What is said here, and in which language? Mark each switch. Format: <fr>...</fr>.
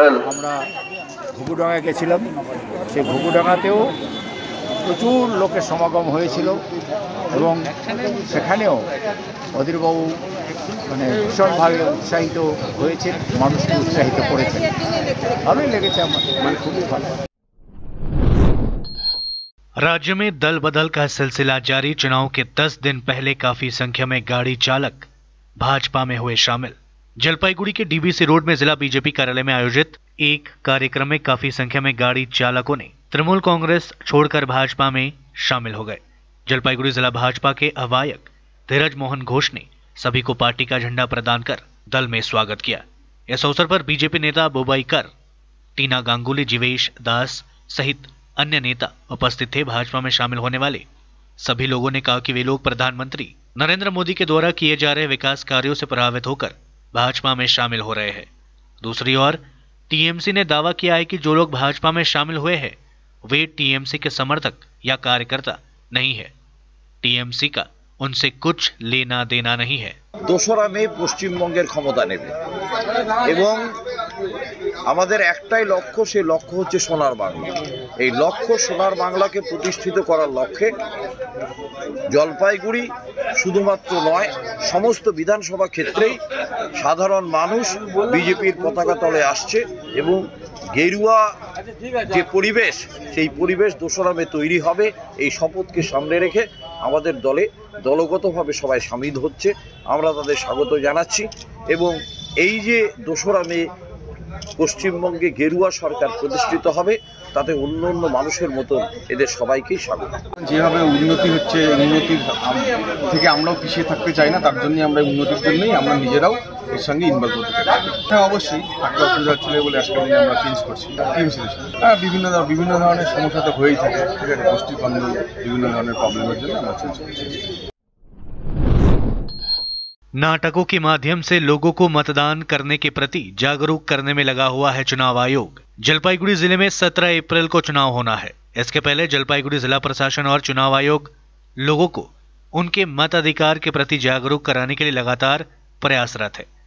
<bn>আমরা ঘুঘুডাঙ্গা গেছিলাম, সেই ঘুঘুডাঙ্গাতেও প্রচুর লোকের সমাগম হয়েছিল এবং সেখানেও অধীরবাবু মানে ভীষণভাবে উৎসাহিত হয়েছে, মানুষকে উৎসাহিত করেছে, ভালোই লেগেছে আমার, মানে খুবই ভালো।</bn> <hi>राज्य में दल बदल का सिलसिला जारी, चुनाव के 10 दिन पहले काफी संख्या में गाड़ी चालक भाजपा में हुए शामिल। जलपाईगुड़ी के डीबीसी रोड में जिला बीजेपी कार्यालय में आयोजित एक कार्यक्रम में काफी संख्या में गाड़ी चालकों ने तृणमूल कांग्रेस छोड़कर भाजपा में शामिल हो गए। जलपाईगुड़ी जिला भाजपा के आह्वायक धीरज मोहन घोष ने सभी को पार्टी का झंडा प्रदान कर दल में स्वागत किया। इस अवसर पर बीजेपी नेता बुबई कर, टीना गांगुली, जीवेश दास सहित अन्य नेता उपस्थित थे। भाजपा में शामिल होने वाले सभी लोगों ने कहा कि वे लोग प्रधानमंत्री नरेंद्र मोदी के द्वारा किए जा रहे विकास कार्यों से प्रभावित होकर भाजपा में शामिल हो रहे हैं। दूसरी ओर टीएमसी ने दावा किया है कि जो लोग भाजपा में शामिल हुए हैं वे टीएमसी के समर्थक या कार्यकर्ता नहीं है, टीएमसी का उनसे कुछ लेना देना नहीं है।</hi> <bn>দোসরা মে পশ্চিমবঙ্গের ক্ষমতা নেবে এবং আমাদের একটাই লক্ষ্য, সেই লক্ষ্য হচ্ছে সোনার বাংলা। এই লক্ষ্য সোনার বাংলাকে প্রতিষ্ঠিত করার লক্ষ্যে জলপাইগুড়ি শুধুমাত্র নয়, সমস্ত বিধানসভা ক্ষেত্রেই সাধারণ মানুষ বিজেপির পতাকা তলে আসছে এবং গেরুয়া যে পরিবেশ সেই পরিবেশ দোসরা মে তৈরি হবে। এই শপথকে সামনে রেখে আমাদের দলে দলগতভাবে সবাই সামিল হচ্ছে, আমরা তাদের স্বাগত জানাচ্ছি এবং এই যে দোসরা মে পশ্চিমবঙ্গে গেরুয়া সরকার প্রতিষ্ঠিত হবে তাতে অন্য অন্য মানুষের মতো এদের সবাইকেই স্বাগত। যেভাবে উন্নতি হচ্ছে উন্নতির থেকে আমরাও পিছিয়ে থাকতে চাই না, তার জন্যই আমরা উন্নতির জন্যই আমরা নিজেরাও এর সঙ্গে ইনভলভ হতে চাই। হ্যাঁ অবশ্যই একটা অসুবিধা ছিল বলে আজকে আমরা চেঞ্জ করছি, হ্যাঁ বিভিন্ন ধরনের সমস্যা তো হয়েই থাকে, ঠিক আছে গোষ্ঠী বন্ধ বিভিন্ন ধরনের প্রবলেমের জন্য আমরা চেঞ্জ করছি।</bn> <hi>नाटकों के माध्यम से लोगों को मतदान करने के प्रति जागरूक करने में लगा हुआ है चुनाव आयोग। जलपाईगुड़ी जिले में 17 अप्रैल को चुनाव होना है, इसके पहले जलपाईगुड़ी जिला प्रशासन और चुनाव आयोग लोगों को उनके मताधिकार के प्रति जागरूक कराने के लिए लगातार प्रयासरत है।</hi>